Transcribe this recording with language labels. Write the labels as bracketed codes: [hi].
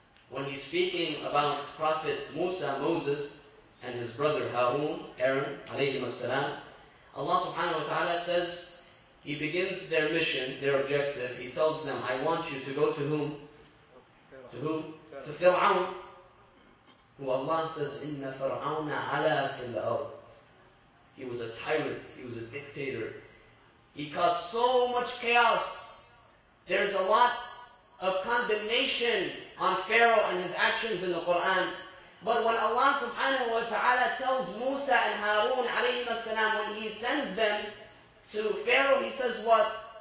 [en] When He's speaking about Prophet Musa, Moses, and his brother Harun, Aaron, alayhim as-salam, Allah subhanahu wa ta'ala says, He begins their mission, their objective, He tells them, I want you to go to whom? To who? To Fir'aun. Who Allah says, [ar] إِنَّ فِرْعَوْنَ عَلَى فِي الْأَرْضِ. [en] He was a tyrant, he was a dictator. He caused so much chaos. There's a lot of condemnation on Pharaoh and his actions in the Quran. But when Allah subhanahu wa ta'ala tells Musa and Harun alayhi as-salam, when He sends them to Pharaoh, He says what?